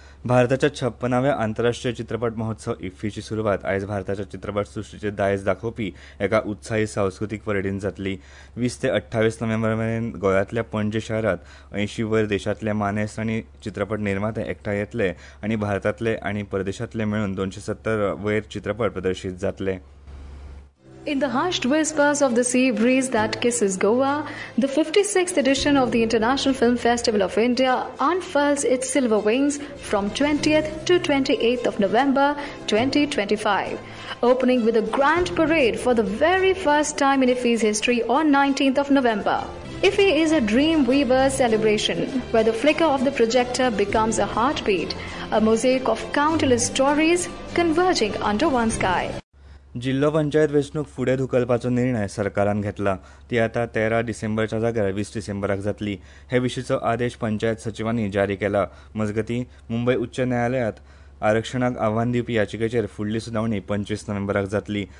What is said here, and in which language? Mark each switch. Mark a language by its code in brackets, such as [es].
[gom] भारताच्या 56व्या आंतरराष्ट्रीय चित्रपट महोत्सव इफ्फीची सुरवात आयज भारताच्या चित्रपट सृश्टीचे दायज दाखोवपी एका उत्साही सांस्कृतीक परेडीन जातली. 20 ते 28 नोव्हेंबर मेरेन गोंयातल्या पणजे शारात 80 वयर देशातले मानेस्त आनी चित्रपट निर्माते एकठांय येतले आनी भारतातले आनी परदेशातले मेळून 270 वयर चित्रपट प्रदर्शीत जातले. [en] In the hushed whispers of the sea breeze that kisses Goa, the 56th edition of the International Film Festival of India unfurls its silver wings from 20th to 28th of November 2025, opening with a grand parade for the very first time in IFFI's history on 19th of November. IFFI is a dream weaver celebration where the flicker of the projector becomes a heartbeat, a mosaic of countless stories converging under one sky. [gom] जिल्हा पंचायत वेंचणूक फुडें धुकलपाचा निर्णय सरकारान घेतला. ती आता 13 डिसेंबरच्या जाग्यार 20 डिसेंबराक जातली. हे विशीचो आदेश पंचायत सचिवांनी जारी केला. मजगतीं मुंबय उच्च न्यायालयात आरक्षणाक आव्हान दिवपी याचिकेचेर फुडली सुनावणी 25 नोव्हेंबराक जातली.